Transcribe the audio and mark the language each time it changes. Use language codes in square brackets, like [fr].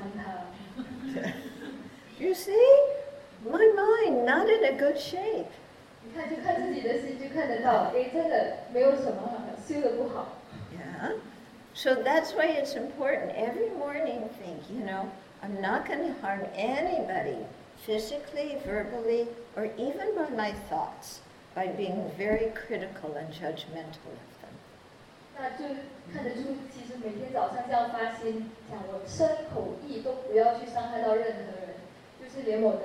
[zh] 那是那个空少每次来的时候就对我很好，一直说，哎，师傅你好。我心里想，哎，他认得我是师傅，我就喜欢他。 [en] You see? My mind not in a good shape. [zh] 你看，就看自己的心，就看得到，哎，真的没有什么修得不好。Yeah, [en] so that's why it's important. Every morning, think, you know, I'm not going to harm anybody, physically, verbally, or even by my thoughts, by being very critical and judgmental of them. [zh] 那就看得出，其实每天早上这样发心，讲我身口意都不要去伤害到任何人。